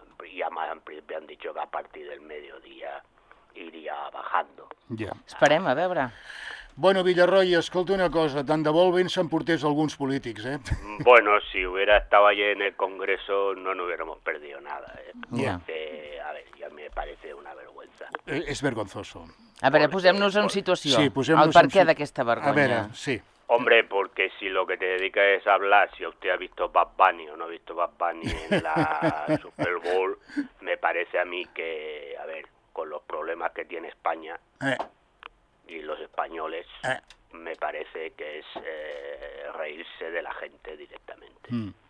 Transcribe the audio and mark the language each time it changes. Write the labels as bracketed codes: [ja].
[es] Y además me han dicho que a partir del mediodía iría bajando. [ca] Esperem, a veure. Bueno, Villarroy, escolta una cosa, tant de volvent s'emportés alguns polítics, eh? [es] Bueno, si hubiera estado allí en el Congreso no nos hubiéramos perdido nada, eh? A ver, ya me parece una vergüenza. És vergonzoso. [ca] A veure, posem-nos en situació. Sí, posem-nos en situació. El perquè d'aquesta vergonya. A veure, sí. [es] Hombre, porque si lo que te dedicas es hablar, si usted ha visto Bad Bunny o no ha visto Bad Bunny en la Super Bowl, me parece a mí que, a ver, con los problemas que tiene España... Y los españoles, me parece que es reírse de la gente directamente.